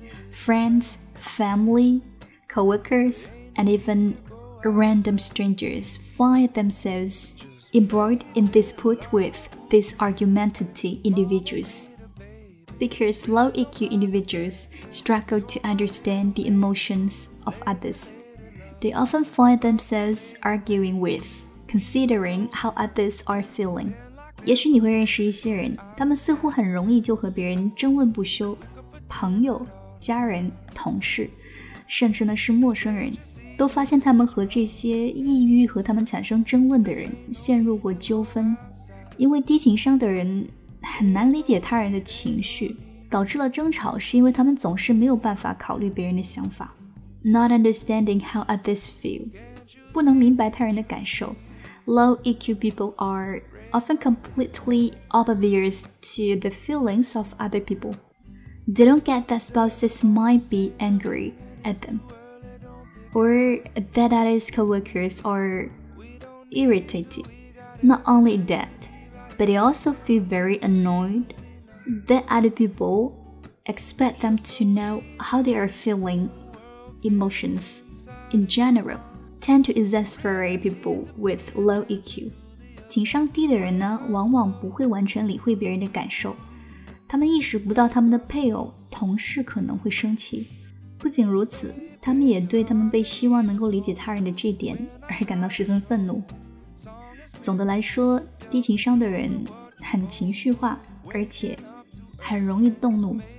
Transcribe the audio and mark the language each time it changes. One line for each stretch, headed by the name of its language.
English: Friends, family, coworkers, and even random strangers find themselves embroiled in dispute with these argumentative individuals. Because low EQ individuals struggle to understand the emotions of others. They often find themselves arguing with, considering how others are feeling.
Chinese: 也许你会认识一些人，他们似乎很容易就和别人争论不休，朋友、家人、同事，甚至呢是陌生人，都发现他们和这些抑郁和他们产生争论的人陷入过纠纷。因为低情商的人很难理解他人的情绪，导致了争吵，是因为他们总是没有办法考虑别人的想法。
English: Not understanding how others feel.
Chinese: 不能明白他人的感受。
English: Low EQ people are often completely oblivious to the feelings of other people. They don't get that spouses might be angry at them, or that others' coworkers are irritated. Not only that, but they also feel very annoyed that other people expect them to know how they are feelingEmotions, in general, tend to exasperate people with low EQ.
Chinese: 情商低的人呢，往往不会完全理会别人的感受，他们意识不到他们的配偶、同事可能会生气。不仅如此，他们也对他们被希望能够理解他人的这点而感到十分愤怒。总的来说，低情商的人很情绪化，而且很容易动怒。